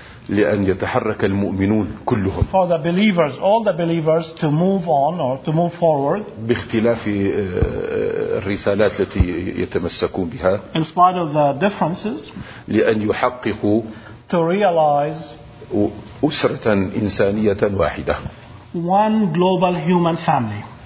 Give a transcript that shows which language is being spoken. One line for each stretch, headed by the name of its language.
Arabic: لأن يتحرك المؤمنون كلهم
English: for the believers, all the believers to move on or to move forward
Arabic: باختلاف الرسالات التي يتمسكون بها
English: in spite of the differences
Arabic: لأن يحققوا
English: to realize
Arabic: أسرة إنسانية واحدة
English: one global human family.